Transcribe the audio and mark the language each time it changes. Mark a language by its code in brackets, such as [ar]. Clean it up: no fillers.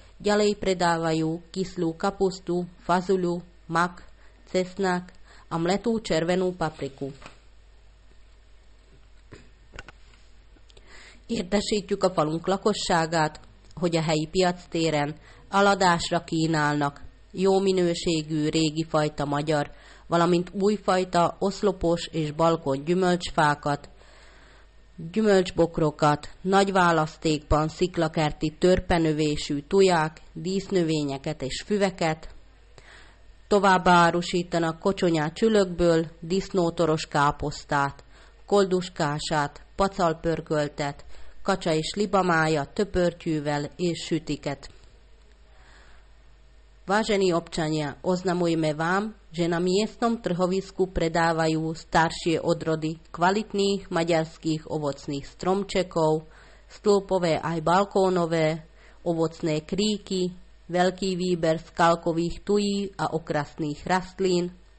[sk] Ďalej predávajú kyslú kapustu, fazuľu, mak, cesnak a mletú červenú papriku. [hu] Értesítjük a falunk lakosságát, hogy a helyi piactéren aladásra kínálnak jó minőségű régi fajta magyar, valamint újfajta oszlopos és balkon gyümölcsfákat, gyümölcsbokrokat, nagy választékban sziklakerti törpenövésű tuják, dísznövényeket és füveket. Továbbá árusítanak kocsonyát csülökből, disznótoros káposztát, kolduskását, pacalpörköltet, kacsa és libamája töpörtyűvel és sütiket. [sk] Vážení občania, oznamujme vám, že na miestnom trhovisku predávajú staršie odrody kvalitných maďarských ovocných stromčekov, stĺpové aj balkónové, ovocné kríky, veľký výber skalkových tují a okrasných rastlín.